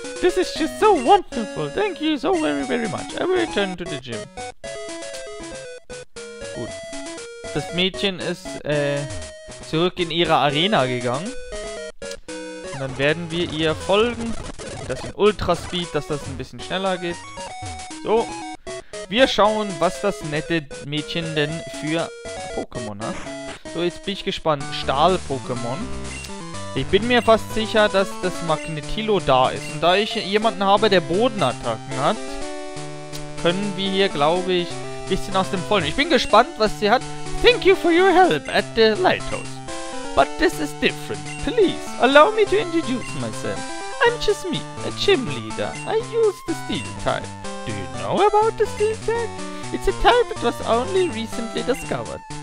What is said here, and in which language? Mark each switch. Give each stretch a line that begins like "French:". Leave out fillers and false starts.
English: This is just so wonderful. Thank you so very, very much. I will return to the gym.
German: Gut. Das Mädchen ist zurück in ihre Arena gegangen. Und dann werden wir ihr folgen. Das in Ultra Speed, dass das ein bisschen schneller geht. So. Wir schauen, was das nette Mädchen denn für Pokémon hat. So, jetzt bin ich gespannt. Stahl-Pokémon. Ich bin mir fast sicher, dass das Magnetilo da ist. Und da ich jemanden habe, der Bodenattacken hat, können wir hier, glaube ich, ein bisschen aus dem Vollen. Ich bin gespannt, was sie hat.
English: Thank you for your help at the lighthouse. But this is different. Please, allow me to introduce myself. I'm just me, a gym leader. I use the steel type. Do you know about the steel type? It's a type that was only recently discovered.